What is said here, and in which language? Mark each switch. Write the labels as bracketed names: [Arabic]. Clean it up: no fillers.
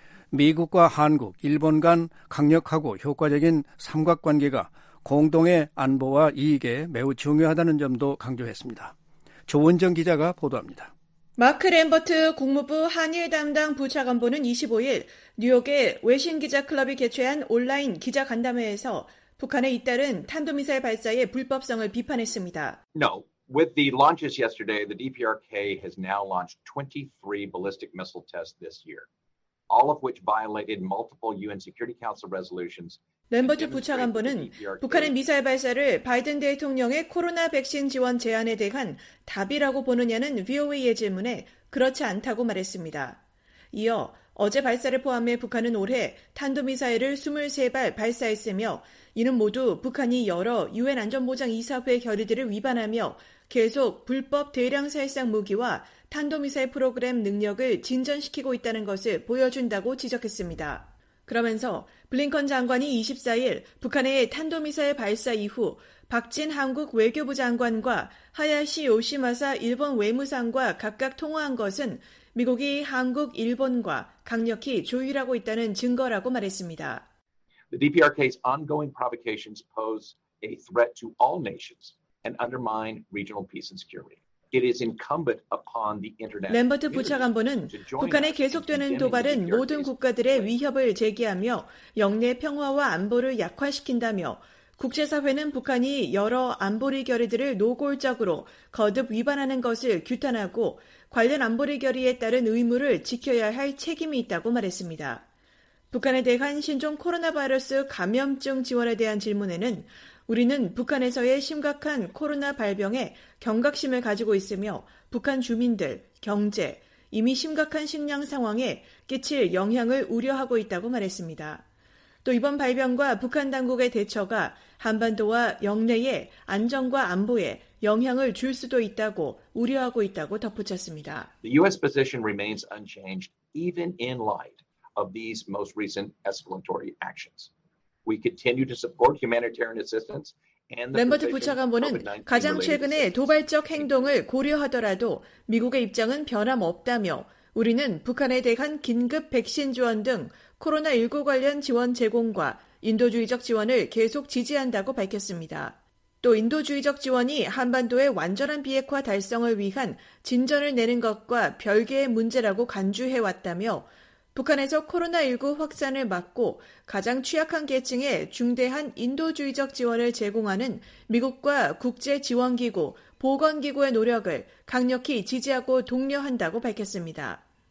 [Korean] 미국과 한국, 일본 간 강력하고 효과적인 삼각관계가 공동의 안보와 이익에 매우 중요하다는 점도 강조했습니다. 조은정 기자가 보도합니다. 마크 램버트 국무부 한일 담당 부차관보는 25일 뉴욕의 외신 기자클럽이 개최한 온라인 기자간담회에서 북한의 잇따른 탄도미사일 발사의 불법성을 비판했습니다. [English] No, with the launches yesterday, the DPRK has now launched 23 ballistic missile tests this year, all of which violated multiple UN Security Council resolutions. [Korean] 램버트 부차관보는 북한의 미사일 발사를 바이든 대통령의 코로나 백신 지원 제안에 대한 답이라고 보느냐는 VOA의 질문에 그렇지 않다고 말했습니다. 이어 어제 발사를 포함해 북한은 올해 탄도미사일을 23발 발사했으며 이는 모두 북한이 여러 유엔 안전보장 이사회 결의들을 위반하며 계속 불법 대량 살상 무기와 탄도미사일 프로그램 능력을 진전시키고 있다는 것을 보여준다고 지적했습니다. 그러면서 블링컨 장관이 24일 북한의 탄도미사일 발사 이후 박진 한국 외교부 장관과 하야시 요시마사 일본 외무상과 각각 통화한 것은 미국이 한국, 일본과 강력히 조율하고 있다는 증거라고 말했습니다. [English] The DPRK's ongoing provocations pose a threat to all nations and undermine regional peace and security. It is incumbent upon the international. [Korean] 램버트 부차관보는 북한의 계속되는 도발은 모든 국가들의 위협을 제기하며 영내 평화와 안보를 약화시킨다며 국제사회는 북한이 여러 안보리 결의들을 노골적으로 거듭 위반하는 것을 규탄하고 관련 안보리 결의에 따른 의무를 지켜야 할 책임이 있다고 말했습니다. 북한에 대한 신종 코로나 바이러스 감염증 지원에 대한 질문에는 우리는 북한에서의 심각한 코로나 발병에 경각심을 가지고 있으며 북한 주민들, 경제, 이미 심각한 식량 상황에 끼칠 영향을 우려하고 있다고 말했습니다. 또 이번 발병과 북한 당국의 대처가 한반도와 영내의 안전과 안보에 영향을 줄 수도 있다고 우려하고 있다고 덧붙였습니다. [English] The U.S. position remains unchanged even in light of these most recent escalatory actions. We continue to support humanitarian assistance and the [Korean] 램버트 부차관보는 가장 최근의 도발적 행동을 고려하더라도 미국의 입장은 변함없다며 우리는 북한에 대한 긴급 백신 지원 등 코로나19 관련 지원 제공과 인도주의적 지원을 계속 지지한다고 밝혔습니다. 또 인도주의적 지원이 한반도의 완전한 비핵화 달성을 위한 진전을 내는 것과 별개의 문제라고 간주해왔다며 북한에서 코로나19 확산을 막고 가장 취약한 계층에 중대한 인도주의적 지원을 제공하는 미국과 국제지원기구, 보건기구의 노력을 강력히 지지하고 독려한다고 밝혔습니다.